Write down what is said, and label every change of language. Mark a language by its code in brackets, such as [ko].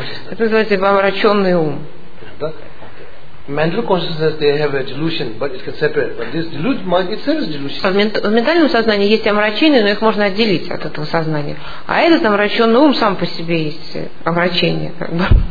[ru] Это называется омраченный ум. [en] Mental consciousness, they have a delusion, but it can separate. But this deluded mind itself is delusion. [ru] В ментальном сознании есть омрачение, но их можно отделить от этого сознания. А этот омраченный ум сам по себе есть омрачение, как бы.